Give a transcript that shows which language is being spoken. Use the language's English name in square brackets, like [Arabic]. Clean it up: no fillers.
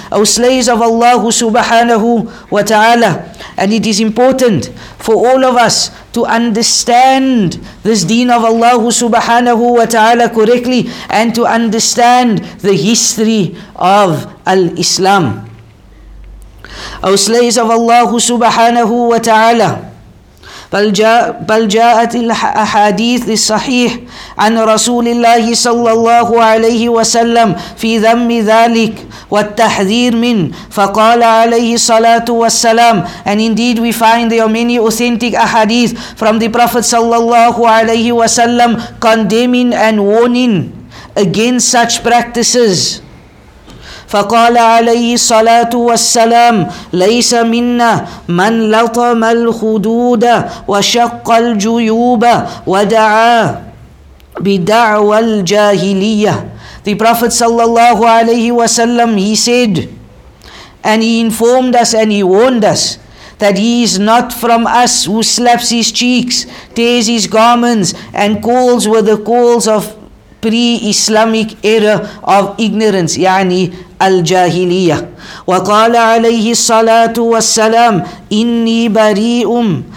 [English] O slaves of Allah subhanahu wa ta'ala. And it is important for all of us to understand this deen of Allah subhanahu wa ta'ala correctly and to understand the history of al-Islam. [Arabic] أو [English] slaves of Allah [Arabic] subhanahu wa ta'ala, بل جاءت الأحاديث الصحيح عن رسول الله صلى الله عليه وسلم في ذم ذلك والتحذير من فقال عليه الصلاة والسلام. [English] And indeed we find there are many authentic ahadith from the Prophet صلى الله عليه وسلم condemning and warning against such practices. [Arabic] فقال عليه الصلاة والسلام ليس منا من لطم الخدود وشق الجيوب ودعا بدعوى الجاهلية. [English] The Prophet sallallahu alayhi wa sallam, he said, and he informed us and he warned us, that he is not from us who slaps his cheeks, tears his garments, and calls with the calls of pre-Islamic era of ignorance, [Arabic] يعني الجاهلية. وقال عليه الصلاة والسلام إني بريء.